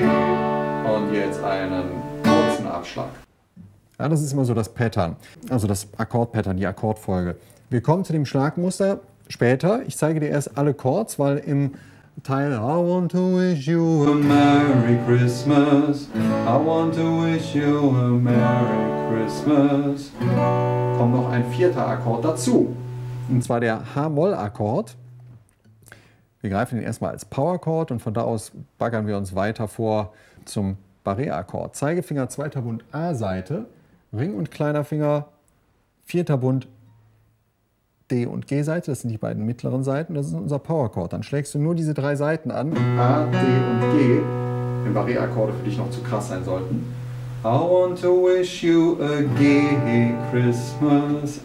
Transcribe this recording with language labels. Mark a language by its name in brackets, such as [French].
[German] Und jetzt einen kurzen Abschlag. Ja, das ist immer so das Pattern. Also das Akkordpattern, die Akkordfolge. Wir kommen zu dem Schlagmuster später. Ich zeige dir erst alle Chords, weil im Teil [English] I want to wish you a Merry Christmas. I want to wish you a Merry Christmas. [German] Kommt noch ein vierter Akkord dazu. Und zwar der H-Moll-Akkord. Wir greifen ihn erstmal als Power-Akkord und von da aus baggern wir uns weiter vor zum Barré-Akkord. Zeigefinger, zweiter Bund, A-Seite. Ring und kleiner Finger, vierter Bund, D- und G-Seite, das sind die beiden mittleren Seiten, das ist unser Power-Akkord. Dann schlägst du nur diese drei Seiten an. A, D und G, wenn Barré-Akkorde für dich noch zu krass sein sollten. [English] I want to wish you a gay Christmas.